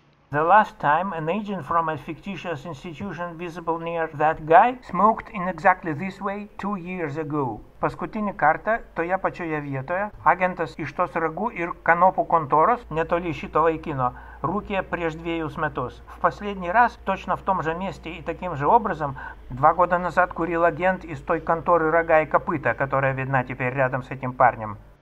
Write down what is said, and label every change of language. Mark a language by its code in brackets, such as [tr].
[en] The last time an agent from a fictitious institution visible near that guy smoked in exactly this way 2 years ago. [lt] Paskutinį kartą toje pačioje vietoje agentas iš tos ragų ir kanopų kontoros netoli šito vaikino rūkė prieš 2 metus. [ru] В последний раз, точно в том же месте и таким же образом, 2 года назад курил агент из той конторы рога и копыта, которая видна теперь рядом с этим парнем.